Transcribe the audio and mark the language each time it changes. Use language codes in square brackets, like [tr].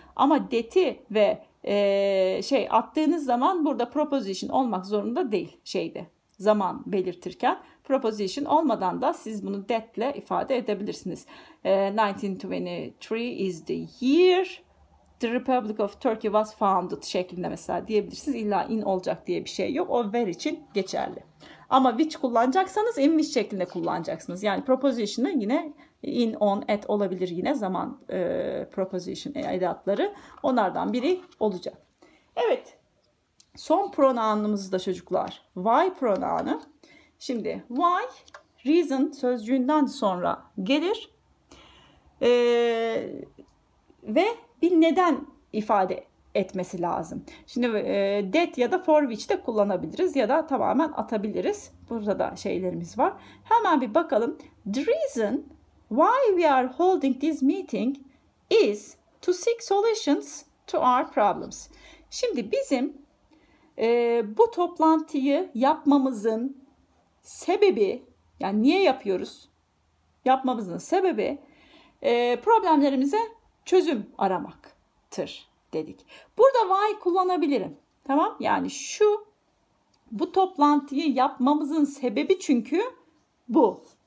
[tr] Ama that'i ve attığınız zaman burada proposition olmak zorunda değil şeyde. Zaman belirtirken proposition olmadan da siz bunu that'le ifade edebilirsiniz. [en] 1923 is the year the Republic of Turkey was founded [tr] şeklinde mesela diyebilirsiniz. İlla in olacak diye bir şey yok. O where için geçerli. Ama which kullanacaksanız in which şeklinde kullanacaksınız. Yani proposition'ı yine in, on, at olabilir yine zaman proposition edatları. Onlardan biri olacak. Evet. Son pronounumuz da çocuklar. Why pronounu. Şimdi why, reason sözcüğünden sonra gelir. Ve bir neden ifade etmesi lazım. Şimdi that ya da for which de kullanabiliriz ya da tamamen atabiliriz. Burada da şeylerimiz var. Hemen bir bakalım. [en] The reason why we are holding this meeting is to seek solutions to our problems. [tr] Şimdi bizim bu toplantıyı yapmamızın sebebi, yani niye yapıyoruz? Yapmamızın sebebi problemlerimize çözüm aramaktır dedik. Burada why kullanabilirim. Tamam? Yani şu bu toplantıyı yapmamızın sebebi çünkü bu.